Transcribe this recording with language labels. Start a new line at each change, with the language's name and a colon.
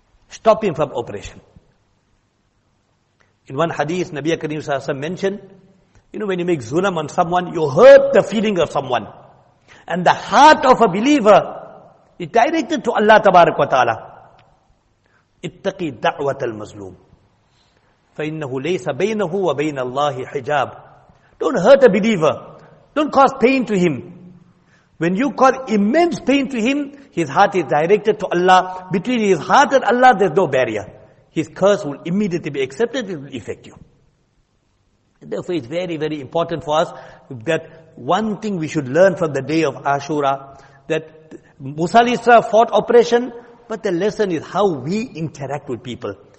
English: Stop him from oppression. In one hadith, Nabi Kareem Sallallahu Alaihi Wasallam mentioned, you know, when you make zulam on someone, you hurt the feeling of someone. And the heart of a believer is directed to Allah Tabarak wa Ta'ala.
Arabic: اتقي دعوة المظلوم فإنه ليس بينه وبين الله حجاب.
English: Don't hurt a believer. Don't cause pain to him. When you cause immense pain to him, his heart is directed to Allah. Between his heart and Allah, there's no barrier. His curse will immediately be accepted, it will affect you. Therefore, it's very, very important for us that one thing we should learn from the day of Ashura, that Musa al-Isra fought oppression, but the lesson is how we interact with people.